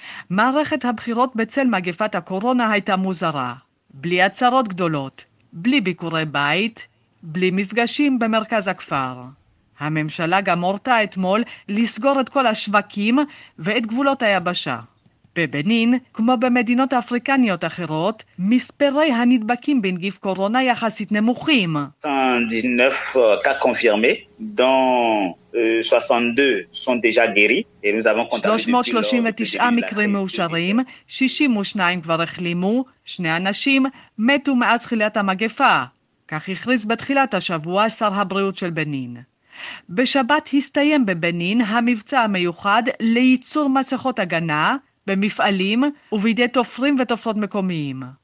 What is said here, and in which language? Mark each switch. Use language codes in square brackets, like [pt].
[he] מערכת הבחירות בצל מגפת הקורונה הייתה מוזרה, בלי הצהרות גדולות, בלי ביקורי בית, בלי מפגשים במרכז הכפר. הממשלה גם הורתה אתמול לסגור את כל השווקים ואת גבולות היבשה. בבנין, כמו במדינות אפריקניות אחרות, מספרי הנדבקים בנגיף קורונה יחסית נמוכים. [fr] 19 cas confirmés dont 62 sont déjà guéris et nous avons contacté [he] 339 מקרים מאושרים, 62 כבר החלימו, שני אנשים מתו מאז תחילת המגפה. כך הכריז בתחילת השבוע שר הבריאות של בנין. בשבת הסתיים בבנין המבצע המיוחד לייצור מסכות הגנה במפעלים ובידי תופרים ותופרות מקומיים.